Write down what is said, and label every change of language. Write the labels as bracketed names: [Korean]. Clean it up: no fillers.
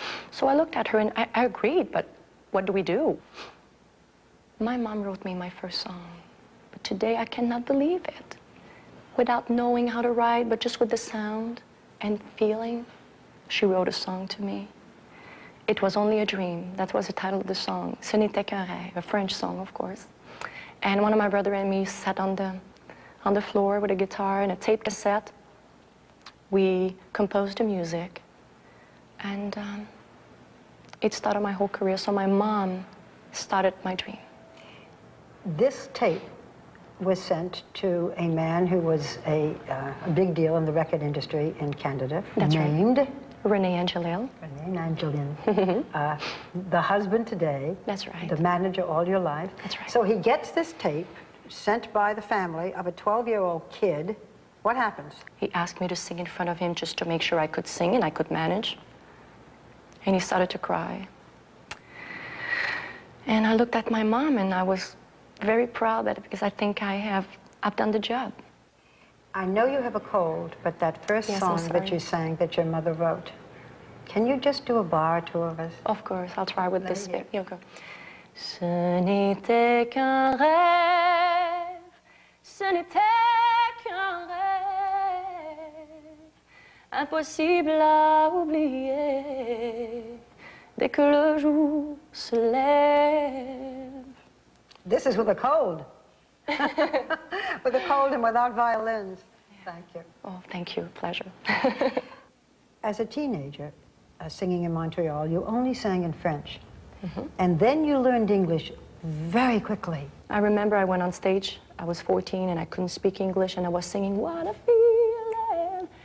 [English] So I looked at her and I agreed, but what do we do? My mom wrote me my first song, but today I cannot believe it. Without knowing how to write, but just with the sound and feeling, she wrote a song to me. It was only a dream. That was the title of the song. [French] Ce n'était qu'un rêve, [English] a French song, of course. And one of my brother and me sat on the floor with a guitar and a tape cassette. We composed the music, and it started my whole career. So my mom started my dream. This tape was sent to a man who was a big deal in the record industry in Canada. That's named right. Rene Angelil. Rene Angelil. The husband today. That's right. The manager all your life. That's right. So he gets this tape sent by the family of a 12-year-old kid. What happens? He asked me to sing in front of him just to make sure I could sing and I could manage. And he started to cry. And I looked at my mom and I was very proud of it because I think I've done the job. I know you have a cold, but that first song that you sang that your mother wrote, can you just do a bar or two of us? Of course, I'll try with this bit. You'll go. [French] Ce n'était qu'un rêve, ce n'était qu'un rêve, impossible à oublier dès que le jour se lève. [English] This is with a cold. With a cold and without violins. Thank you. Oh, thank you. Pleasure. As a teenager, singing in Montreal, you only sang in French. Mm-hmm. And then you learned English very quickly. I remember I went on stage. I was 14 and I couldn't speak English and I was singing, "What a feeling."